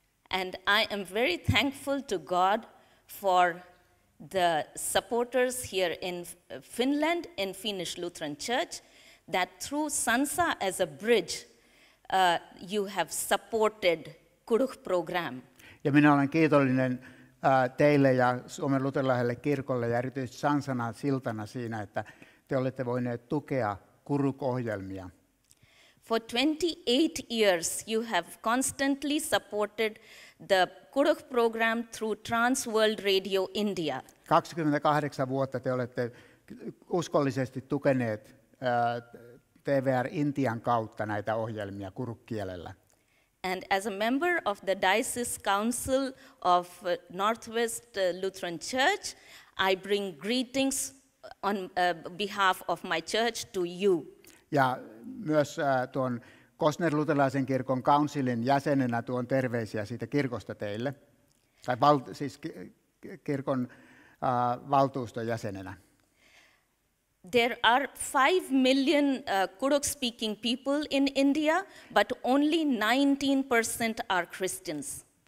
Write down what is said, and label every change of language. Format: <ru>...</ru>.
<en>And I am very thankful to God for the supporters here in Finland, in Finnish Lutheran Church, that through Sansa as a bridge, you have supported Kuruk program.</en> <fi>Ja minä olen kiitollinen teille ja Suomen luterilaiselle kirkolle ja erityisesti Sansana siltana siinä, että te olette voineet tukea Kuruk-ohjelmia.</fi> <en>For 28 years you have constantly supported the Kuruk program through Transworld Radio India.</en> <fi>28 vuotta te olette uskollisesti tukeneet TVR Intian kautta näitä ohjelmia kurukkielellä.</fi> <en>And as a member of the Diocese Council of Northwest Lutheran Church, I bring greetings on behalf of my church to you.</en> <fi>Ja myös tuon Gosner-luterilaisen kirkon kaunsilin jäsenenä tuon terveisiä siitä kirkosta teille, tai siis kirkon valtuuston jäsenenä.</fi> <en>There are 5 million Kuruk speaking people in India, but only 19% are Christians.</en>